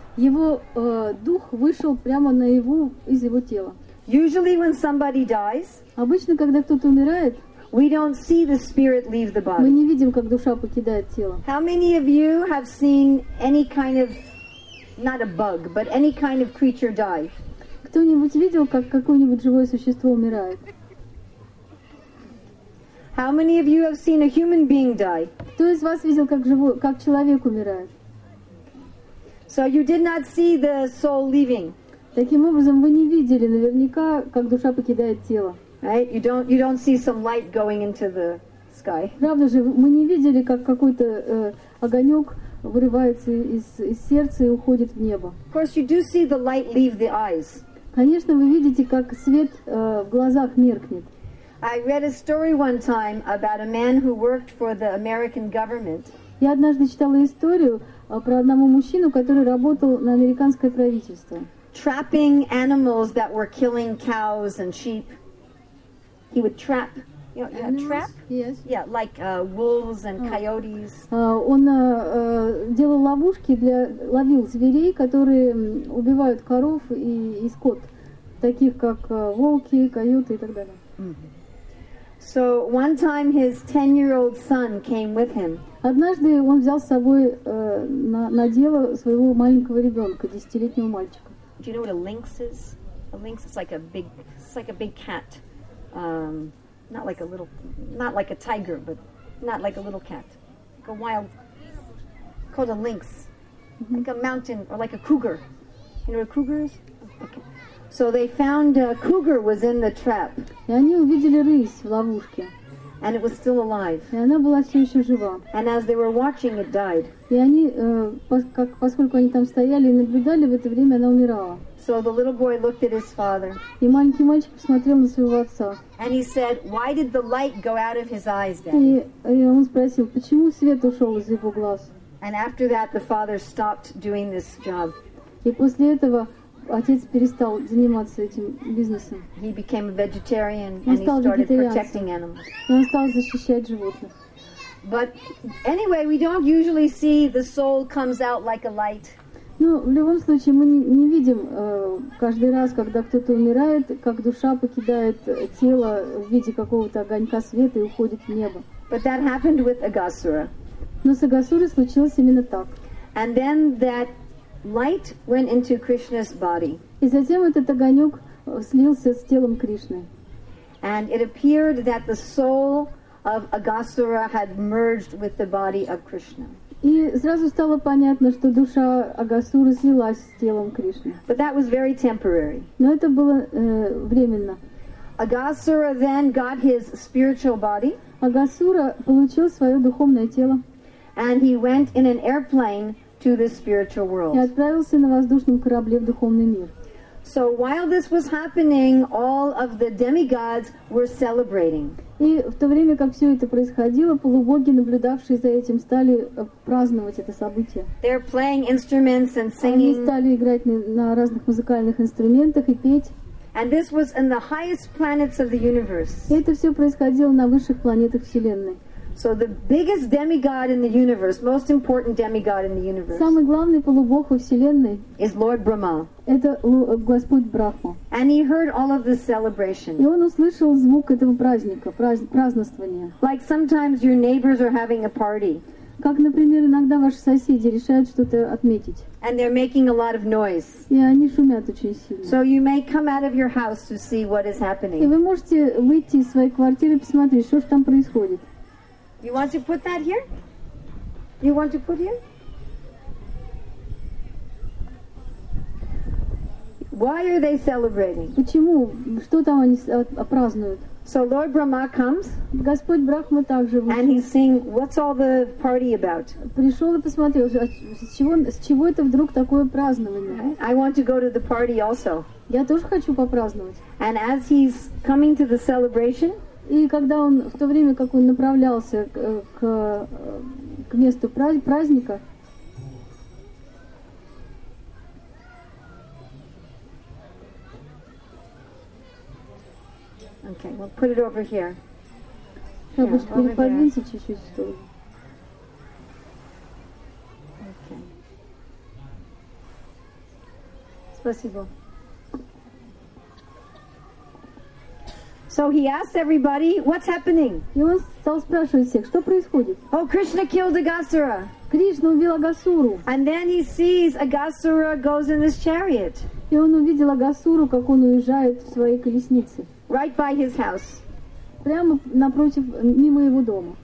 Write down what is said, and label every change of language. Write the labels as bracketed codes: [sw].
[ru] Его дух вышел прямо на его из его тела. [en] Usually when somebody dies, [ru] обычно когда кто-то умирает, [en] we don't see the spirit leave the body. [ru] Мы не видим, как душа покидает тело. [en] How many of you have seen any kind of not a bug, but any kind of creature die? [ru] Кто-нибудь видел, как какое-нибудь живое существо умирает? [en] How many of you have seen a human being die? [ru] Кто из вас видел, как человек умирает? [en] So you did not see the soul leaving. [ru] Таким образом, вы не видели наверняка, как душа покидает тело. [en] Right? You don't see some light going into the sky. [ru] Правда же, мы не видели, как какой-то огонек вырывается из сердца и уходит в небо. [en] Of course, you do see the light leave the eyes. [ru] Конечно, вы видите, как свет в глазах меркнет. [en] I read a story one time about a man who worked for the American government. [ru] Я однажды читала историю про одного мужчину, который работал на американское правительство. [en] Trapping animals that were killing cows and sheep. He would trap. Trap? Yes. Yeah, like wolves and coyotes. [ru] Делал ловушки для ловил зверей, которые убивают коров и скот, таких как волки, койоты и так далее. [en] So one time his 10-year-old son came with him. [ru] Однажды он взял с собой на дело своего маленького ребенка, 10-летнего мальчика. [en] Do you know what a lynx is? A lynx is like a big, it's like a big cat. Not like a tiger, but not like a little cat. Like a wild, called a lynx. Mm-hmm. Like a mountain, or like a cougar. You know what a cougar is? Okay. So they found a cougar was in the trap. [ru] И они увидели рысь в ловушке. [en] And it was still alive. [ru] И она была все еще жива. [en] And as they were watching, it died. [ru] И они, поскольку они там стояли и наблюдали, в это время она умирала. [en] So the little boy looked at his father. [ru] И маленький мальчик посмотрел на своего отца. [en] And he said, "Why did the light go out of his eyes, Dad?" [ru] И он спросил, почему свет ушел из его глаз. [en] And after that, the father stopped doing this job. [ru] И после этого отец перестал заниматься этим бизнесом. [en] He became a vegetarian and he started protecting animals. [ru] И он стал защищать животных. [en] But anyway, we don't usually see the soul comes out like a light. [ru] Ну, в любом случае, мы не видим каждый раз, когда кто-то умирает, как душа покидает тело в виде какого-то огонька света и уходит в небо. [en] But that happened with Agasura. [ru] Но с Агасурой случилось именно так. [en] And then that light went into Krishna's body. [ru] И затем этот огонек слился с телом Кришны. [en] And it appeared that the soul of Agasura had merged with the body of Krishna. [ru] И сразу стало понятно, что душа Агасуры слилась с телом Кришны. [en] But that was very temporary. [ru] Но это было временно. [en] Agasura then got his spiritual body. [ru] Агасура получил свое духовное тело. [en] And he went in an airplane to the spiritual world. [ru] И отправился на воздушном корабле в духовный мир. [en] So while this was happening, all of the demigods were celebrating. [ru] И в то время, как все это происходило, полубоги, наблюдавшие за этим, стали праздновать это событие. [en] They're playing instruments and singing. [ru] Они стали играть на разных музыкальных инструментах и петь. [en] And this was in the highest planets of the universe. [ru] И это все происходило на высших планетах Вселенной. [en] So the biggest demigod in the universe, most important demigod in the universe. [ru] Самый главный полубог во Вселенной. [en] Is Lord Brahma. [ru] Это Господь Брахма. [en] And he heard all of the celebration. [ru] И он услышал звук этого праздника, празднования. [en] Like sometimes your neighbors are having a party. [ru] Как, например, иногда ваши соседи решают что-то отметить. [en] And they're making a lot of noise. [ru] И они шумят очень сильно. [en] So you may come out of your house to see what is happening. [ru] И вы можете выйти из своей квартиры и посмотреть, что же там происходит. [en] You want to put that here? You want to put here? Why are they celebrating? [ru] Почему? Что там они празднуют? [en] So Lord Brahma comes. [ru] Господь Брахма также вышел. [en] And he's seeing what's all the party about. [ru] Пришел и посмотрел, с чего это вдруг такое празднование? [en] I want to go to the party also. [ru] Я тоже хочу попраздновать. [en] And as he's coming to the celebration. [ru] И когда он в то время, как он направлялся к месту праздника, [en] okay, we'll put it over here. [ru] Я бы переподвинься чуть-чуть в сторону. [en] Okay. [ru] Спасибо. [en] So he asked everybody, "What's happening?" [ru] И он стал спрашивать всех, что происходит. [en] Oh, Krishna killed Agasura. [ru] Кришна убил Агасуру. [en] And then he sees Agasura goes in his chariot. [ru] И он увидел Агасуру, как он уезжает в своей колеснице. [en] Right by his house. [ru] Прямо напротив, мимо его дома.